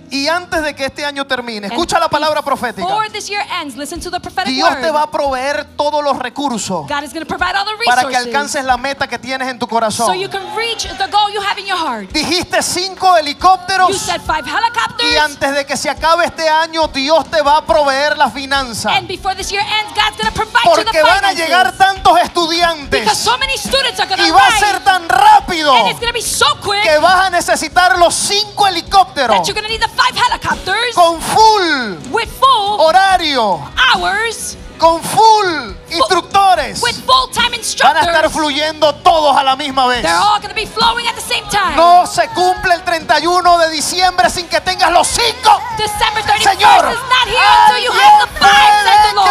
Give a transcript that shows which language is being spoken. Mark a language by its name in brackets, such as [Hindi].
[Spanish] Y antes de que este año termine, escucha la palabra profética. [English] Before this year ends, listen to the prophetic word. [Spanish] Dios te va a proveer todos los recursos. [English] God is going to provide all the resources. [Spanish] Para que alcances la meta que tienes en tu corazón. [English] So you can reach the goal you have in your heart. [Spanish] Dijiste 5 helicópteros. [English] You said 5 helicopters. [Spanish] Y antes de que se acabe este año, Dios te va a proveer las finanzas. [English] And before this year ends, God's going to provide you the finances. [Spanish] Porque van a llegar tantos estudiantes. [English] Because so many students are going to arrive. [Spanish] Y va a ser tan rápido. [English] And it's going to be so quick. [Spanish] Que vas a necesitar los 5 helicópteros. [English] That you're going to need the 5 helicopters. [Spanish] Con full, [English] with full [Spanish] horario, [English] hours. [Spanish] Con full instructores. [English] With full-time instructors. [Spanish] Van a estar fluyendo todos a la misma vez. [English] They're all going to be flowing at the same time. [Spanish] No se cumple el 31 de diciembre sin que tengas los 5. [English] December 31st Señor, is not here until you have the 5, said the Lord.